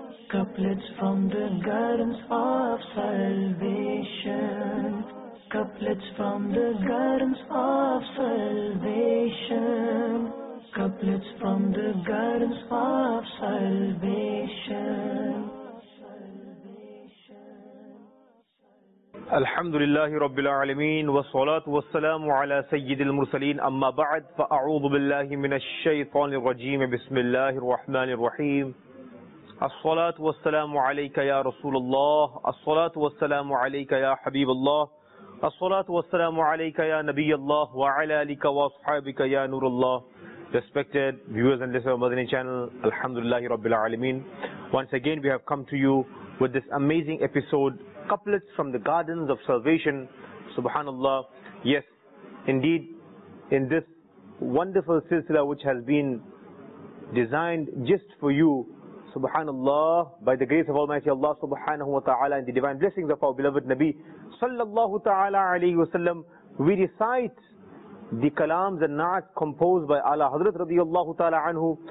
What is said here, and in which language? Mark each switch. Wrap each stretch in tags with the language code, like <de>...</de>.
<en>Couplets from the gardens of salvation. Couplets from the gardens of salvation. Couplets from the gardens of salvation.</en> <ar>الحمد لله رب العالمين والصلاة والسلام على سيد المرسلين أما بعد فأعوذ بالله من الشيطان الرجيم بسم الله الرحمن الرحيم الصلاة والسلام عليك يا رسول الله الصلاة والسلام عليك يا حبيب الله الصلاة والسلام عليك يا نبي الله وعلى آلك وأصحابك يا نور الله</ar> <en>Respected viewers and listeners of Madani Channel, Alhamdulillahi Rabbil Alameen. Once again, we have come to you with this amazing episode, Couplets from the Gardens of Salvation. Subhanallah. Yes, indeed, in this wonderful silsila which has been designed just for you, Subhanallah, by the grace of Almighty Allah Subhanahu wa Ta'ala and the divine blessings of our beloved Nabi Sallallahu Ta'ala Alayhi Wasallam, we recite the kalams and na'at composed by Ala Hazrat Radiyallahu Ta'ala Anhu.</en>